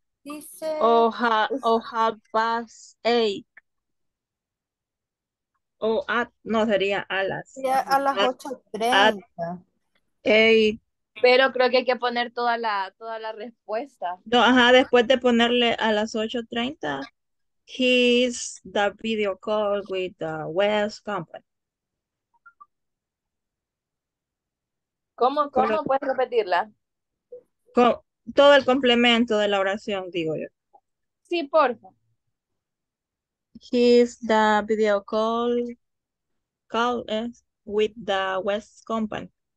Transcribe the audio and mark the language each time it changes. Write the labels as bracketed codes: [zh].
[es] dice, [en] half past 8. [es] O at, no, sería a las. Sería a las 8:30. Pero creo que hay que poner toda la respuesta. No, ajá, después de ponerle a las 8:30. [en] He's the video call with the West Company. [es] ¿Cómo puedes repetirla? Todo el complemento de la oración, digo yo. Sí, por favor. [en] He's the video call with the West Company.